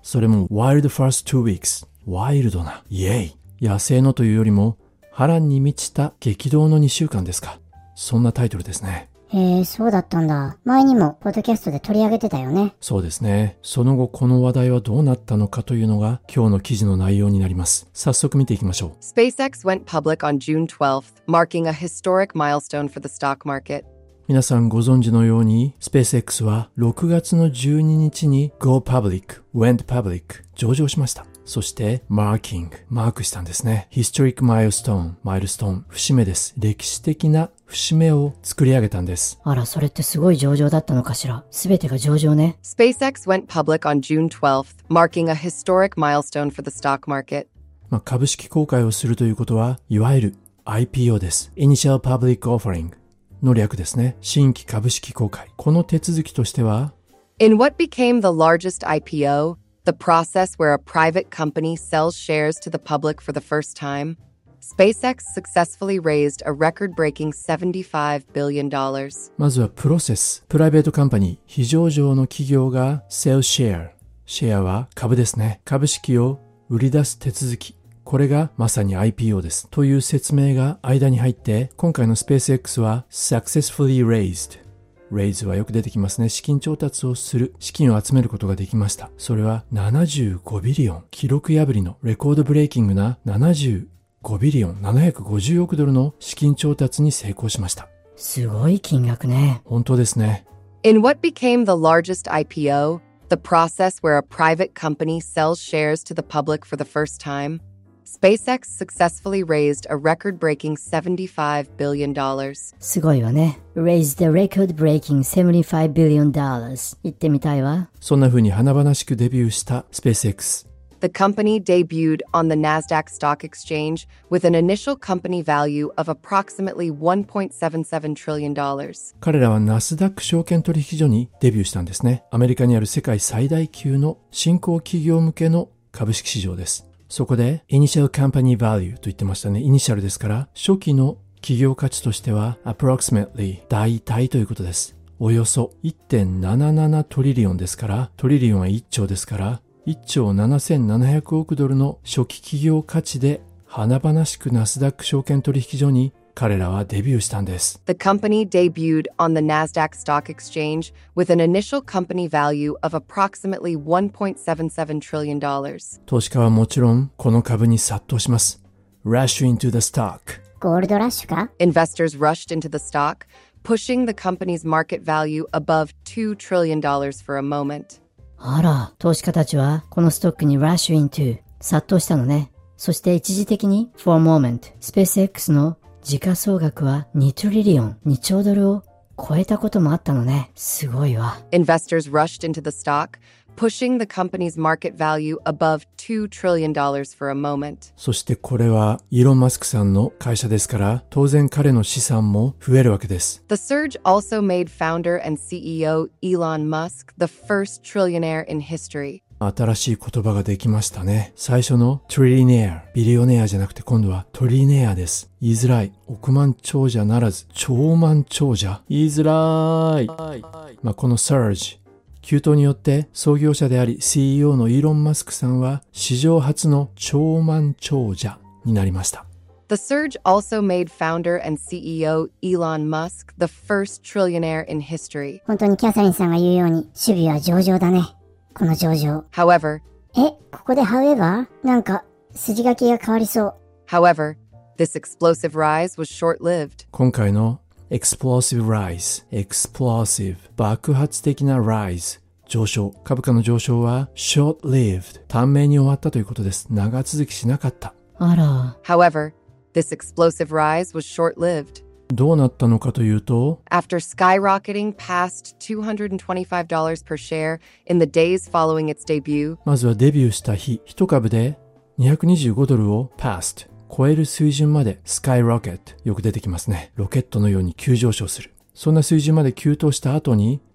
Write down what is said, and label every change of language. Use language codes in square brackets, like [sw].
[ja] それも [en] wild first 2 weeks、 [ja] ワイルドな、イエイ、野生のというよりも波乱に満ちた激動の2週間ですか。そんなタイトルですね。へえ、そうだったんだ。前にもポッドキャストで取り上げてたよね。そうですね。その後この話題はどうなったのかというのが今日の記事の内容になります。早速見ていきましょう。 [en] SpaceX went public on June 12th, marking a historic milestone for the stock market. [ja] 皆さんご存知のように SpaceX は6月の12日に [en] Go Public, Went Public, [ja] 上場しました。そして Marking, マークしたんですね。 [en] Historic Milestone, [ja] マイルストーン、節目です。歴史的な節目を作り上げたんです。あら、それってすごい上場だったのかしら。すべてが上場ね。 [en] SpaceX went public on June 12th, marking a historic milestone for the stock market. [ja] 株式公開をするということは、いわゆる IPO です。 [en] Initial Public Offering [ja] の略ですね。新規株式公開。この手続きとしては、 [en] In what became the largest IPO, the process where a private company sells shares to the public for the first timeSpaceX successfully raised a record-breaking $75 billion. [ja] まずはプロセス、プライベートカンパニー、非上場の企業が sell share、 シェアは株ですね。株式を売り出す手続き、これがまさに IPO です。という説明が間に入って、今回の SpaceX は [en] successfully raised、 [ja] raise はよく出てきますね。資金調達をする、資金を集めることができました。それは75ビリオン、記録破りの、レコードブレイキングな75ビリオン、750億ドルの資金調達に成功しました。すごい金額ね。本当ですね。 [en] In what became the largest IPO, the process where a private company sells shares to the public for the first time, SpaceX successfully raised a record-breaking $75 billion. [ja] すごいわね。 [en] Raised a record-breaking $75 billion. [ja] 言ってみたいわ。そんな風に華々しくデビューした SpaceX。 [en] The company debuted on the Nasdaq Stock Exchange with an initial company value of approximately $1.77 trillion. [ja] 彼らはナスダック証券取引所にデビューしたんですね。アメリカにある世界最大級の新興企業向けの株式市場です。そこで、 [en] Initial Company Value [ja] と言ってましたね。イニシャルですから、初期の企業価値としては、Approximately、大体ということです。およそ 1.77 トリリオンですから、トリリオンは1兆ですから、1兆7700億ドルの初期企業価値で華々しくナスダック証券取引所に彼らはデビューしたんです。 [en] The company debuted on the Nasdaq Stock Exchange with an initial company value of approximately $1.77 trillion. [ja] 投資家はもちろんこの株に殺到します。 [en] Rush into the stock. [ja] ゴールドラッシュか? [en] Investors rushed into the stock, pushing the company's market value above $2 trillion for a moment. [ja] あら、投資家たちはこのストックに [en] Rush into [ja] 殺到したのね。そして一時的に [en] For a moment, [ja] SpaceX の時価総額は2トリリオン、2兆ドルを超えたこともあったのね。すごいわ。 Investors rushed into the stock, pushing the company's market value above $2 trillion for a moment. そしてこれはイーロン・マスクさんの会社ですから、当然彼の資産も増えるわけです。 [en] The surge also made founder and CEO Elon Musk the first trillionaire in history. [ja] 新しい言葉ができましたね。最初のトリリネア、ビリオネアじゃなくて今度はトリリネアです。言いづらい。億万長者ならず、超万長者。言いづらーい。まあ、このサージ、急騰によって創業者であり CEO のイーロン・マスクさんは史上初の超万長者になりました。 [en] The surge also made founder and CEO Elon Musk the first trillionaire in history. [ja] 本当にキャサリンさんが言うように、守備は上々だね。この上場。 [en] However, [ja] ここで however? なんか筋書きが変わりそう。 [en] However, this explosive rise was short-lived. [ja] 今回の [en] explosive rise, [ja] explosive, 爆発的な rise, 上昇。株価の上昇は short-lived, 短命に終わったということです。長続きしなかった。あら。 However, this explosive rise was short-lived. どうなったのかというと、 [en] After skyrocketing past $225 per share in the days following its debut、 [ja] まずはデビューした日、一株で225ドルを past 超える水準まで skyrocket、 よく出てきますね。ロケットのように急上昇する。そんな水準まで急騰した後に、